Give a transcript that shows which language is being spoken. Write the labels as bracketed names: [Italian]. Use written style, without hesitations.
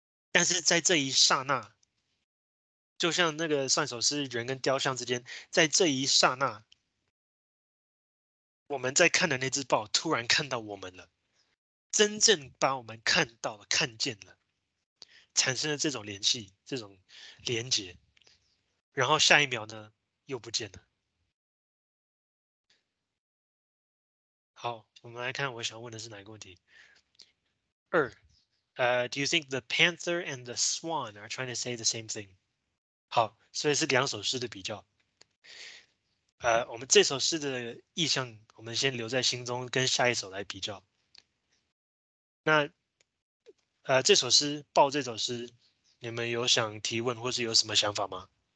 [Chinese] 但是在这一刹那，就像那个算手是人跟雕像之间，在这一刹那，我们在看的那只豹突然看到我们了，真正把我们看到了，看见了，产生了这种联系，这种连结，然后下一秒呢又不见了。好，我们来看我想问的是哪个问题。 [English] 二，Do you think the panther and the swan are trying to say the same thing？ [Chinese] 好，所以是两首诗的比较。我们这首诗的意象，我们先留在心中，跟下一首来比较。那，这首诗，报这首诗，你们有想提问或是有什么想法吗？